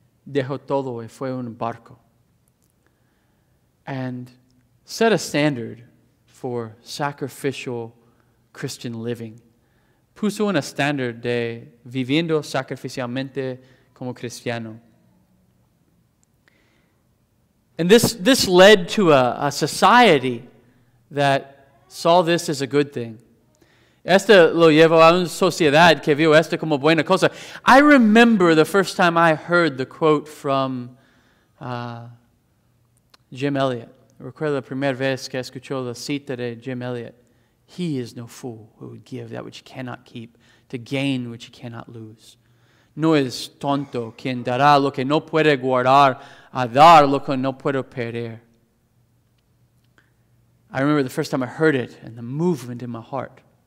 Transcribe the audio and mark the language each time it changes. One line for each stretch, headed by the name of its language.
Spanish: Dejó todo y fue un barco.
English: And set a standard for sacrificial Christian living.
Spanish: Puso una standard de viviendo sacrificialmente como cristiano.
English: And this led to a society that saw this as a good thing.
Spanish: Esto lo llevó a una sociedad que vio esto como buena cosa.
English: I remember the first time I heard the quote from Jim Elliot.
Spanish: Recuerdo la primera vez que escuchó la cita de Jim Elliot.
English: He is no fool who would give that which he cannot keep to gain which he cannot lose.
Spanish: No es tonto quien dará lo que no puede guardar a dar lo que no puede perder.
English: I remember the first time I heard it and the movement in my heart.